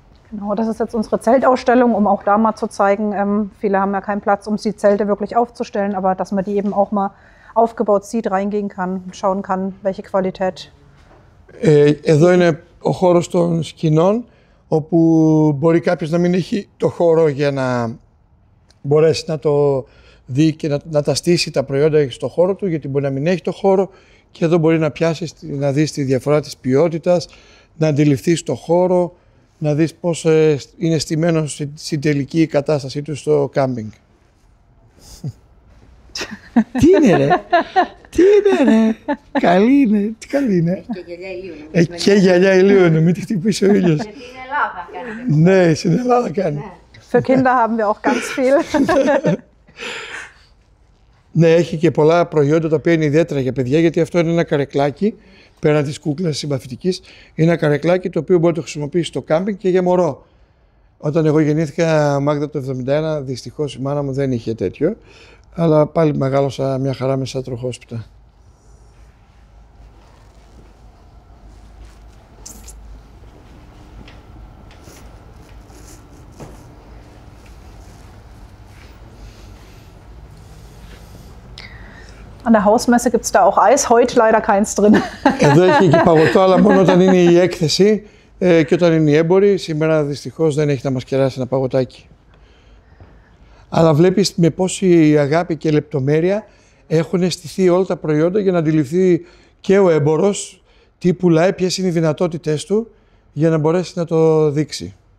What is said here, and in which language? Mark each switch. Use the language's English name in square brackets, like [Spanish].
[German] Genau, das ist jetzt unsere Zeltausstellung, um auch da mal zu zeigen. Viele haben ja keinen Platz, um die Zelte wirklich aufzustellen, aber dass man die eben auch mal aufgebaut sieht, reingehen kann, schauen kann, welche Qualität. [Greek] Εδώ είναι ο χώρος των σκηνών, όπου μπορεί κάποιος να μην έχει το χώρο για να μπορέσει να το δει και να τα στήσει τα προϊόντα στο χώρο του, γιατί μπορεί να μην έχει το χώρο και εδώ μπορεί να πιάσεις, να δεις τη διαφορά της ποιότητας, να αντιληφθείς το χώρο, να δεις πώς είναι στημένο στην τελική κατάστασή του στο κάμπινγκ. Τι είναι ρε, τι είναι ρε, καλή είναι, τι καλή είναι. Και γυαλιά ηλίου είναι, μην τη χτυπήσει ο ήλιος. Γιατί στην Ελλάδα κάνει. Ναι, στην Ελλάδα κάνει. [German] Für Kinder haben wir auch ganz viel. [Greek] Ναι, έχει και πολλά προϊόντα τα οποία είναι ιδιαίτερα για παιδιά, γιατί αυτό είναι ένα καρεκλάκι. Πέραν της κούκλας συμπαθητικής, είναι ένα καρεκλάκι το οποίο μπορεί να το χρησιμοποιήσει στο κάμπινγκ και για μωρό. Όταν εγώ γεννήθηκα, Μάγδα το 71, δυστυχώς η μάνα μου δεν είχε τέτοιο, αλλά πάλι μεγάλωσα μια χαρά μέσα τροχόσπιτα. [German] An der Hausmesse gibt es da auch Eis, heute leider keins drin. [Greek] Εδώ έχει και παγωτό, αλλά μόνο όταν είναι η έκθεση και όταν είναι οι έμποροι. Σήμερα δυστυχώς δεν έχει να μας κεράσει ένα παγωτάκι. Αλλά βλέπεις με πόση αγάπη και λεπτομέρεια έχουν στηθεί όλα τα προϊόντα για να αντιληφθεί και ο έμπορος τι πουλάει, ποιες είναι οι δυνατότητες του για να μπορέσει να το δείξει.